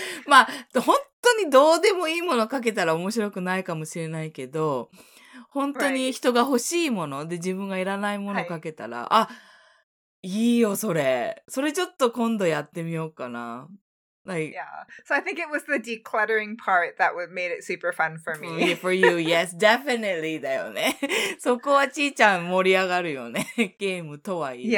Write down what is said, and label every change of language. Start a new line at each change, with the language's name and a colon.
Japanese: まあ、本当にどうでもいいものかけたら面白くないかもしれないけど 本当に人が欲しいもので自分がいらないものをかけたら、あ、いいよそれ。それちょっと今度やってみようかな。
English: Like, yeah. So I think it was the decluttering part that made it super fun for me. For you, yes, definitely.
Japanese: だよね。そこはちーちゃん盛り上がるよね。ゲームとはいえ。